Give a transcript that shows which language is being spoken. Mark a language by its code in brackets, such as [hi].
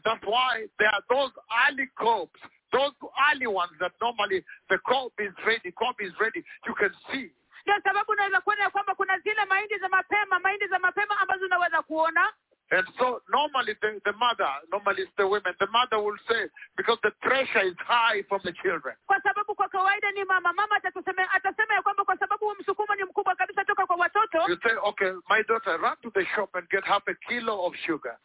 [en] That's why there are those early crops. Those early ones that normally the crop is ready. Crop is ready. You can see. [sw] Ndiyo sababu unaweza kuona kwamba kuna zile mahindi za mapema ambazo unaweza kuona. [en] And so normally the mother, normally it's the women, the mother will say, because the pressure is high from the children. [sw] Kwa sababu kwa kawaida ni mama atasema ya kwamba kwa sababu msukumo ni mkubwa kabisa toka kwa watoto. [en] You say, okay, my daughter, run to the shop and get half a kilo of sugar.